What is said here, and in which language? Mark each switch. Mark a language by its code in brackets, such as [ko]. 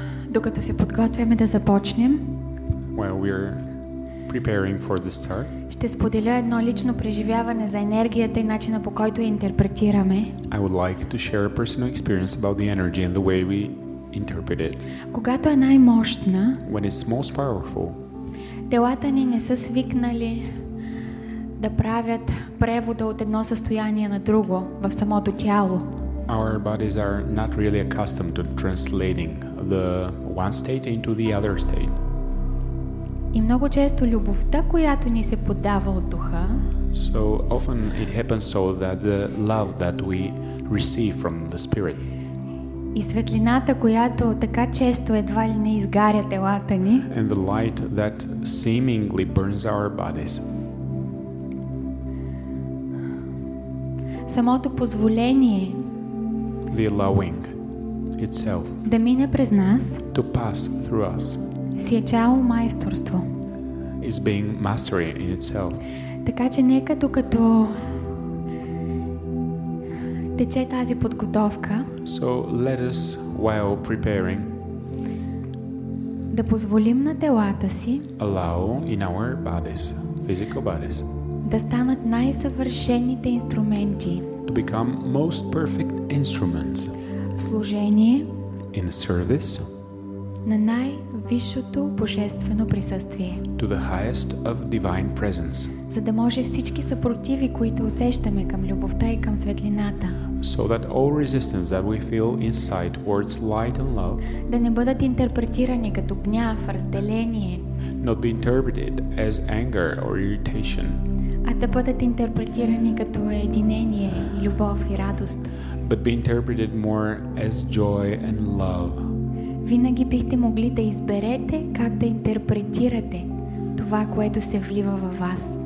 [bg] Докато се подготвяме да започнем, [en] while we're preparing for the start, [bg] ще споделя едно лично преживяване за енергията и начина по който я интерпретираме. [en] I would like to share a personal experience about the energy and the way we interpret it. [bg] Когато е най-мощна, [en] when it's most powerful, [bg] телата ни не са свикнали да правят превода от едно състояние на друго в самото тяло. [en] Our bodies are not really accustomed to translating the one state into the other state. [bg] И много често любовта, която ни се поддава от духа, [en] so often it happens so that the love that we receive from the spirit, [bg] и светлината, която така често едва ли не изгаря телата ни, [en] and the light that seemingly burns our bodies, [bg] самото позволение, [en] the allowing itself, [bg] да мине през нас, [en] to pass through us, [bg] си е чао майсторство, [en] is being mastery in itself. [bg] Така че нека докато тече тази подготовка, [en] so let us, while preparing, [bg] да позволим на телата си, [en] allow in our bodies, physical bodies, [bg] да станат най-съвършените инструменти, [en] to become most perfect instruments, [bg] в служение, [en] in service, [bg] на най-висшото божествено присъствие, [en] to the highest of divine presence, [bg] за да може всички съпротиви, които усещаме към любовта и към светлината, [en] so that all resistance that we feel inside towards light and love, [bg] да не бъдат интерпретирани като гняв, разделение, [en] not be interpreted as anger or irritation, [bg] а да бъдат интерпретирани като единение, любов и радост, [en] but be interpreted more as joy and love. [bg] Винаги бихте могли да изберете как да интерпретирате това, което се влива във вас.